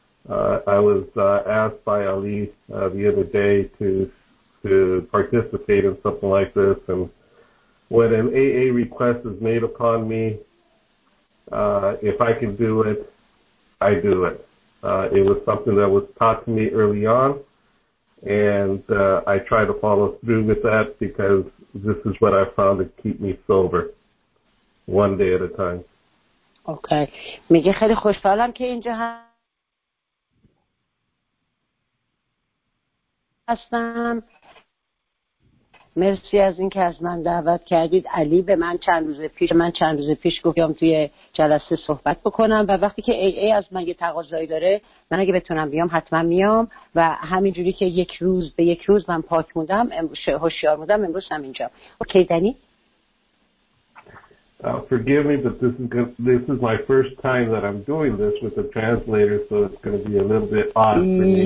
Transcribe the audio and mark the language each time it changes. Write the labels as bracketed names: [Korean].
[English] I was asked by Ali the other day to participate in something like this, and when an AA request is made upon me, if I can do it, I do it. It was something that was taught to me early on, and I try to follow through with that because this is what I found to keep me sober, one day at a time. Okay. [Persian] میگه خیلی خوشحالم که اینجا هستم. مرسی از این که از من دعوت کردید. علی به من چند روز پیش گفتم توی جلسه صحبت بکنم، و وقتی که ای از من یه تقاضایی داره، من اگه بتونم بیام حتما میام، و همین جوری که یک روز به یک روز من پاک موندم، هوشیار موندم، امروز هم اینجا. اوکی دنی؟ [English] Forgive me, but this is my first time that I'm doing this with a translator, so it's going to be a little bit odd for me.